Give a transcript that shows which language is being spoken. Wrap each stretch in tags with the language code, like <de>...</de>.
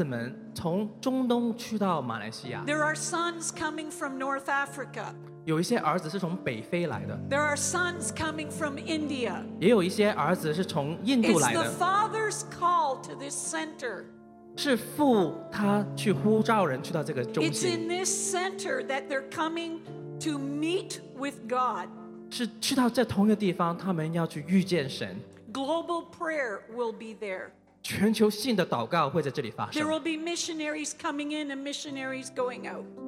<zh>我看见父的儿子们从中东去到马来西亚。</zh> <en>There are sons coming from North Africa.</en> <zh>有一些儿子是从北非来的。</zh> <en>There are sons coming from India.</en> <zh>也有一些儿子是从印度来的。</zh> <en>It's the father's call to this center.</en> <zh>是父他去呼召人去到这个中心。</zh> <en>It's in this center that they're coming to meet with God.</en> <zh>是去到这同一个地方，他们要去遇见神。</zh> <en>Global prayer will be there.</en> <zh>全球性的祷告会在这里发生。</zh> <en>There will be missionaries coming in and missionaries going out.</en>